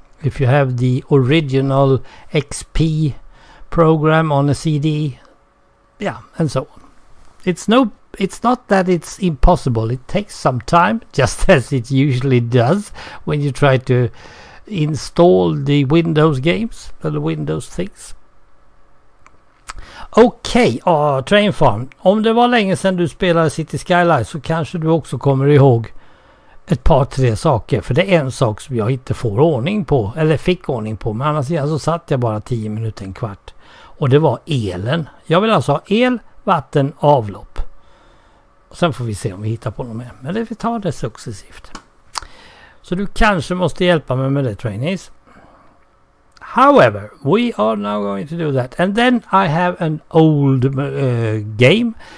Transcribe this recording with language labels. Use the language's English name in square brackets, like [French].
[English] If you have the original XP program on a CD. Yeah, and so on. It's not that it's impossible. It takes some time, just as it usually does when you try to install the Windows games, the Windows things. [Swedish] Okej, Train Farm. Om det var länge sedan du spelade City Skylines så kanske du också kommer ihåg ett par tre saker. För det är en sak som jag inte får ordning på, eller fick ordning på. Men annars så satt jag bara 10 minuter, en kvart. Och det var elen. Jag vill alltså ha el, vatten, avlopp. Och sen får vi se om vi hittar på något mer. Men det vi tar det successivt. Så du kanske måste hjälpa mig med det, trainees. [English] However, we are now going to do that. And then I have an old game.